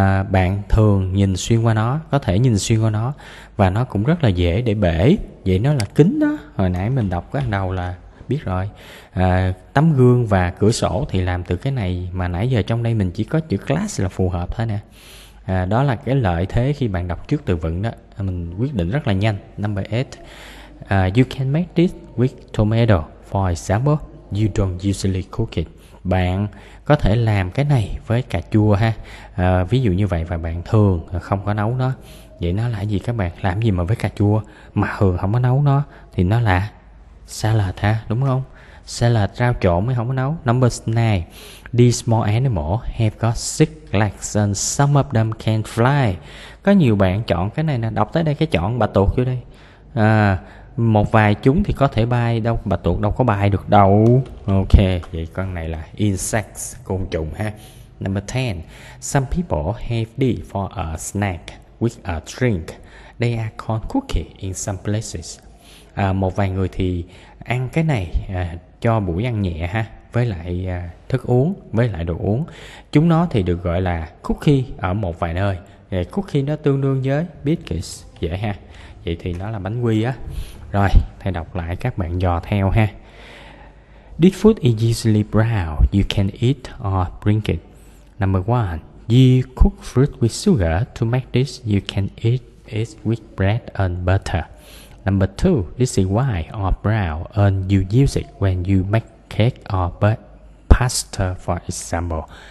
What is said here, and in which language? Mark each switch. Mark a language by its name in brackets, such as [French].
[Vietnamese] Bạn thường nhìn xuyên qua nó, có thể nhìn xuyên qua nó, và nó cũng rất là dễ để bể. Vậy nó là kính đó. Hồi nãy mình đọc cái đầu là biết rồi. Tấm gương và cửa sổ thì làm từ cái này, mà nãy giờ trong đây mình chỉ có chữ glass là phù hợp thôi nè. Đó là cái lợi thế khi bạn đọc trước từ vựng đó, mình quyết định rất là nhanh. [English] Number 8, you can make this with tomato, for example. You don't usually cook it. [Vietnamese] Bạn có thể làm cái này với cà chua ha. Ví dụ như vậy, và bạn thường không có nấu nó. Vậy nó là gì các bạn? Làm gì mà với cà chua mà thường không có nấu nó? Thì nó là salad ha, đúng không? sẽ là rau trộn mới không có nấu. [English] Number 9, these small animals have got six legs and some of them can fly. [Vietnamese] Có nhiều bạn chọn cái này nè, đọc tới đây cái chọn bà tuột vô đây. À, một vài chúng thì có thể bay đâu, bà tuột đâu có bay được đâu. Ok, vậy con này là insects, côn trùng ha. [English] Number 10, some people have this for a snack with a drink. They are called cookies in some places. [Vietnamese] À, một vài người thì ăn cái này cho buổi ăn nhẹ ha, với lại thức uống, với lại đồ uống. Chúng nó thì được gọi là cookie ở một vài nơi. Vậy cookie nó tương đương với biscuits dễ ha. Vậy thì nó là bánh quy á. Rồi, thầy đọc lại các bạn dò theo ha. [English] This food is easily brown. You can eat or drink it. Number 1, you cook fruit with sugar to make this. You can eat it with bread and butter. Number 2, this is white or brown and you use it when you make cake or pasta, for example.